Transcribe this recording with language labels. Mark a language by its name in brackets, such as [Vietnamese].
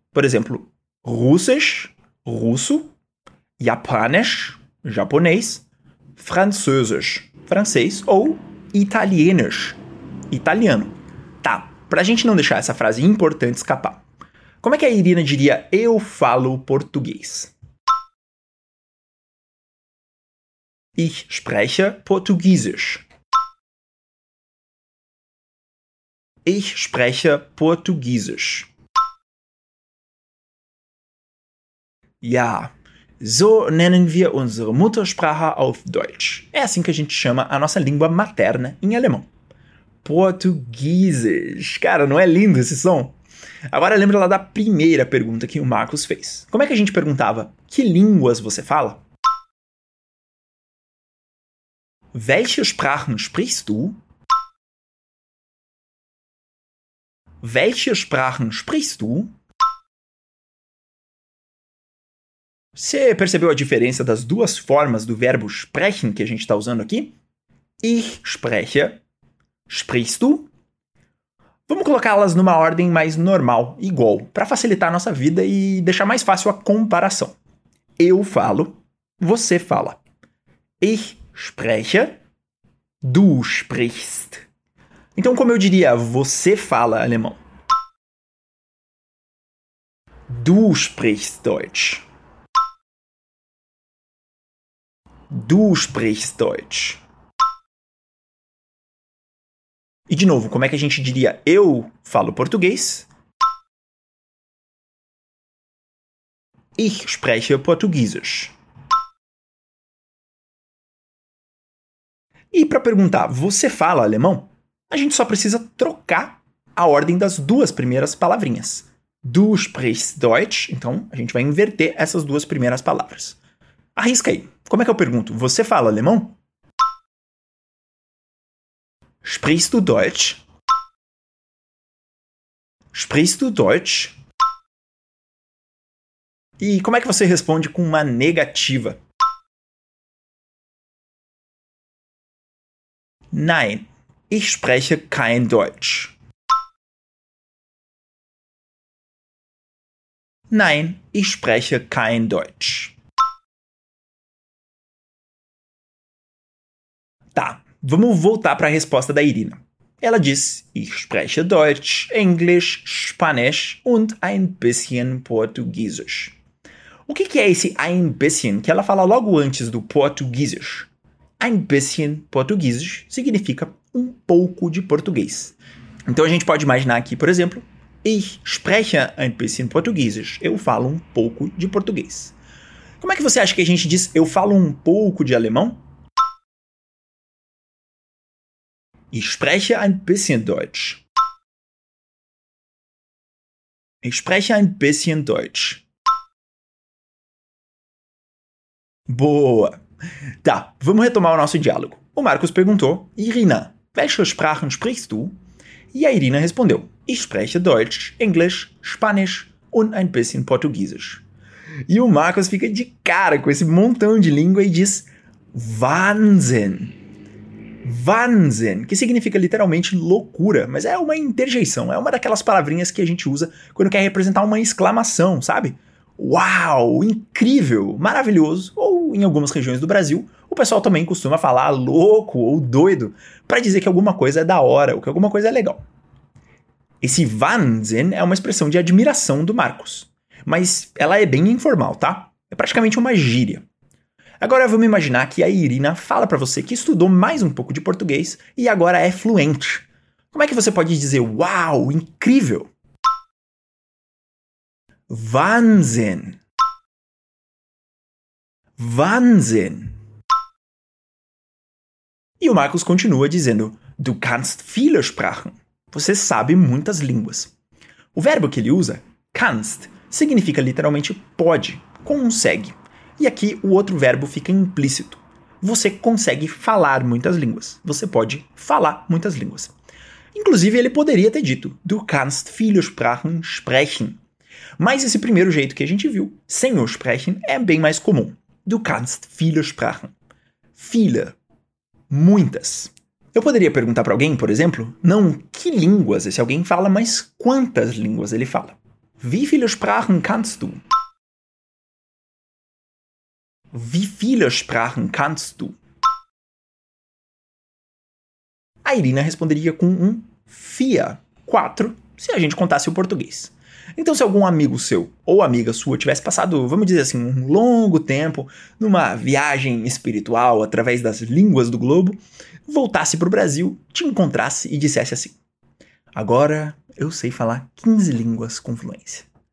[Portuguese] Por exemplo, Russisch, Russo, Japanisch, Japonês, Französisch, Francês ou Italienisch, Italiano. Tá, pra gente não deixar essa frase importante escapar. Como é que a Irina diria eu falo português? [German] Ich spreche Portugiesisch. Ich spreche Portugiesisch. Ja, so nennen wir unsere Muttersprache auf Deutsch. [Portuguese] É assim que a gente chama a nossa língua materna em alemão. Portugiesisch. Cara, não é lindo esse som? Agora lembra lá da primeira pergunta que o Marcos fez. Como é que a gente perguntava, que línguas você fala? [German] Welche Sprachen sprichst du? Welche Sprachen sprichst du? [Portuguese] Você percebeu a diferença das duas formas do verbo sprechen que a gente está usando aqui? [German] Ich spreche. Sprichst du? [Portuguese] Vamos colocá-las numa ordem mais normal, igual, para facilitar a nossa vida e deixar mais fácil a comparação. Eu falo. Você fala. [German] Ich spreche. Du sprichst. [Portuguese] Então, como eu diria, você fala alemão. [German] Du sprichst Deutsch. Du sprichst Deutsch. [Portuguese] E de novo, como é que a gente diria eu falo português? [German] Ich spreche Portugiesisch. [Portuguese] E para perguntar, você fala alemão? A gente só precisa trocar a ordem das duas primeiras palavrinhas. [German] Du sprichst Deutsch, [Portuguese] então a gente vai inverter essas duas primeiras palavras. Arrisca aí. Como é que eu pergunto? Você fala alemão? [German] Sprichst du Deutsch? Sprichst du Deutsch? [Portuguese] E como é que você responde com uma negativa? [German] Nein, ich spreche kein Deutsch. Nein, ich spreche kein Deutsch. [Portuguese] Tá, vamos voltar para a resposta da Irina. Ela diz, [German] ich spreche Deutsch, Englisch, Spanisch und ein bisschen Portugiesisch. [Portuguese] O que é esse [German] ein bisschen [Portuguese] que ela fala logo antes do portuguesisch? [German] Ein bisschen portuguesisch [Portuguese] significa um pouco de português. Então a gente pode imaginar aqui, por exemplo, [German] ich spreche ein bisschen portuguesisch. [Portuguese] Eu falo um pouco de português. Como é que você acha que a gente diz eu falo um pouco de alemão? [German] Ich spreche ein bisschen Deutsch. Ich spreche ein bisschen Deutsch. [Portuguese] Boa! Tá, vamos retomar o nosso diálogo. O Marcos perguntou, Irina, [German] welche Sprachen sprichst du? [Portuguese] E a Irina respondeu, [German] ich spreche Deutsch, Englisch, Spanisch und ein bisschen Portuguesisch. [Portuguese] E o Marcos fica de cara com esse montão de língua e diz, Wahnsinn! Wahnsinn, que significa literalmente loucura, mas é uma interjeição, é uma daquelas palavrinhas que a gente usa quando quer representar uma exclamação, sabe? Uau, incrível, maravilhoso, ou em algumas regiões do Brasil, o pessoal também costuma falar louco ou doido para dizer que alguma coisa é da hora ou que alguma coisa é legal. Esse Wahnsinn é uma expressão de admiração do Marcos, mas ela é bem informal, tá? É praticamente uma gíria. Agora vamos imaginar que a Irina fala para você que estudou mais um pouco de português e agora é fluente. Como é que você pode dizer uau, incrível? [German] Wahnsinn. Wahnsinn. [Portuguese] E o Marcos continua dizendo [German] du kannst viele Sprachen. [Portuguese] Você sabe muitas línguas. O verbo que ele usa, kannst, significa literalmente pode, consegue. E aqui o outro verbo fica implícito. Você consegue falar muitas línguas. Você pode falar muitas línguas. Inclusive, ele poderia ter dito [German] du kannst viele Sprachen sprechen. [Portuguese] Mas esse primeiro jeito que a gente viu, sem o sprechen, é bem mais comum. [German] Du kannst viele Sprachen. Viele. [Portuguese] Muitas. Eu poderia perguntar para alguém, por exemplo, não que línguas esse alguém fala, mas quantas línguas ele fala. [German] Wie viele Sprachen kannst du? Wie viele Sprachen kannst du? [Portuguese] A Irina responderia com um vier, quatro, se a gente contasse o português. Então, se algum amigo seu ou amiga sua tivesse passado, vamos dizer assim, um longo tempo numa viagem espiritual através das línguas do globo, voltasse para o Brasil, te encontrasse e dissesse assim, agora eu sei falar 15 línguas com fluência.